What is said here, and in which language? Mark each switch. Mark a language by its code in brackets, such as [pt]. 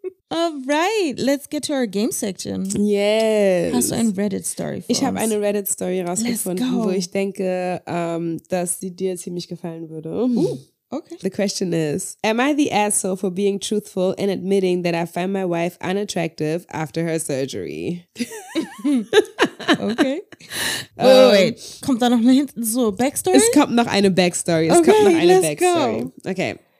[en] All right, let's get to our game section. Yes. [de] Hast du eine Reddit-Story für uns? Ich habe eine Reddit-Story rausgefunden, wo ich denke, dass sie dir ziemlich gefallen würde. Okay. [en] The question is, am I the asshole for being truthful and admitting that I find my wife unattractive after her surgery? Okay. Wait. [de] Kommt da noch eine Backstory? Es kommt noch eine Backstory. Okay.